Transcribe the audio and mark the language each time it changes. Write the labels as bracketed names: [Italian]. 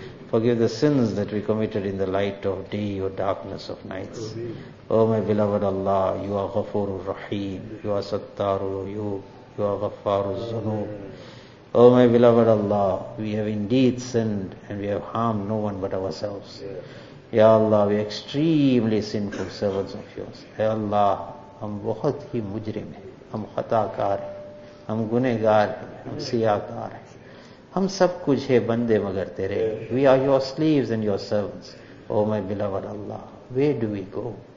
[English] Forgive the sins that we committed in the light of day or darkness of nights. Oh my beloved Allah, you are Ghafoorur Raheem. You are Sattarul Uyub. You are Ghaffarul Zunub. Oh my beloved Allah, we have indeed sinned and we have harmed no one but ourselves. Ya Allah, we are extremely sinful servants of yours. [Urdu] Ya Allah, ہم بہت ہی مجرم ہیں, ہم خطا کار ہیں, ہم گنہ گار ہیں, ہم سیاہ کار ہیں, ہم سب کچھ ہے بندے مگر تیرے. [English] We are your slaves and your servants. Oh my beloved Allah, where do we go?